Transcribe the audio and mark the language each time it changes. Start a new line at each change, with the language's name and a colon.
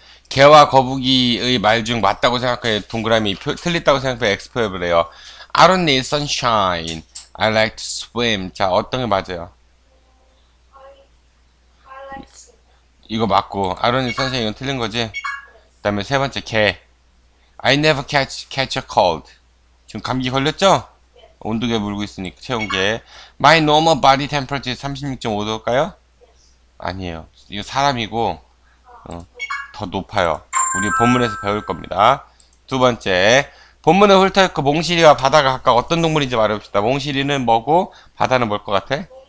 Korean: 개와 거북이의 말중 맞다고 생각해 동그라미 틀렸다고 생각해 X표현을 해요
English: I don't need sunshine I like to swim.
Korean: 자, 어떤 게 맞아요?
English: like swim.
Korean: 이거 맞고,
English: I don't need sunshine.
Korean: 이건 틀린 거지? 그다음에 세 번째 개.
English: I never catch a cold.
Korean: 지금 감기 걸렸죠? 온도계 물고 있으니까 체온계.
English: My normal body temperature is 36.5
Korean: 도일까요? 아니에요. 이거 사람이고 더 높아요. 우리 본문에서 배울 겁니다. 두 번째. 본문은 훑어있고 몽실이와 바다가 각각 어떤 동물인지 말해봅시다. 몽실이는 뭐고 바다는 뭘것 같아?